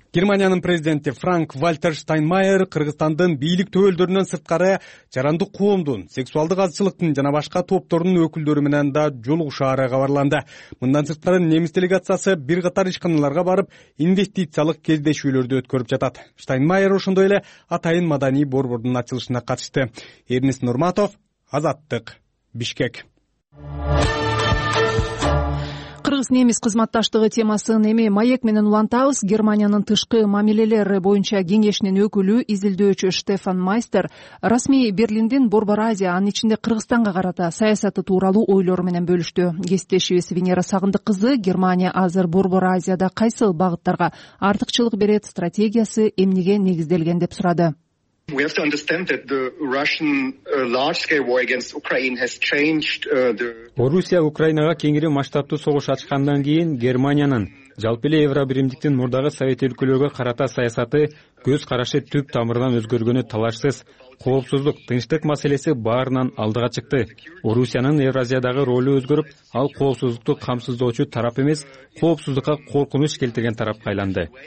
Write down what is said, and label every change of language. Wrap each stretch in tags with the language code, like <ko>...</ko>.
<ky>Германиянын президенти Франк-Вальтер Штайнмайер Кыргызстандын бийлик төбөлдөрүнөн сырткары жарандык коомдун, сексуалдык азчылыктын жана башка топтордун өкүлдөрү менен да жолугушаары кабарланды. Мындан сырткары немис делегациясы бир катар ишканаларга барып, инвестициялык кездешүүлөрдү өткөрүп жатат. Штайнмайер ошондой эле атайын маданий борбордун ачылышына катышты. Эрнис Нурматов, Азаттык, Бишкек. Кыргыз-немис кызматташтыгы темасын эми маек менен улантабыз. Германиянын тышкы мамилелери боюнча кеңешинин өкүлү, изилдөөчү Штефан Майстер расмий Берлиндин Борбор Азия, анын ичинде Кыргызстанга карата саясаты тууралуу ойлору менен бөлүштү. Кесиптешибиз Венера Сагындык кызы, Германия азыр Борбор Азияда кайсыл багыттарга артыкчылык берет, стратегиясы эмнеге негизделген деп сурады.</ky> <en>We have to understand that the Russian large-scale war against Ukraine has changed</en> <ky>Орусия Украинага кеңири масштабтуу согуш ачкандан кийин Германиянын жалпы эле Евробиримдиктин мурдагы совет өлкөлөргө карата саясаты көз карашы түп тамырынан өзгөргөнү талашсыз. Коопсуздук, тынчтык маселеси баарынан алдыга чыкты. Орусиянын Евразиядагы ролу өзгөрүп, ал коопсуздукту камсыздоочу тарап эмес, коопсуздукка коркунуч келтирген тарапка айланды.</ky>